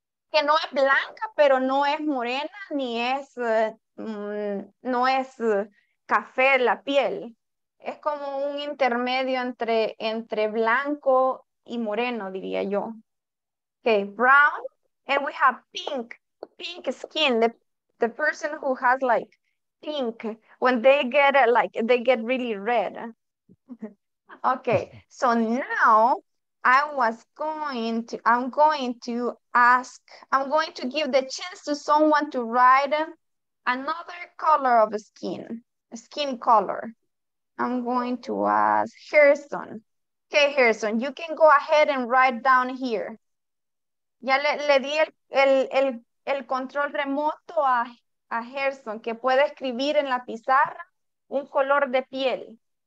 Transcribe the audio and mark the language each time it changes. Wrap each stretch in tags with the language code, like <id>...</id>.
<es>Que no es blanca, pero no es morena, ni es, no es café la piel. Es como un intermedio entre blanco y moreno, diría yo.</es> <en>Okay, brown. And we have pink. Pink skin. The person who has like pink, when they get like, they get really red. Okay, so now I'm going to give the chance to someone to write another color of skin color. I'm going to ask Harrison. Okay, Harrison, you can go ahead and write down here.</en> <es>Ya le di el control remoto a Gerson que pueda escribir en la pizarra un color de piel.</es>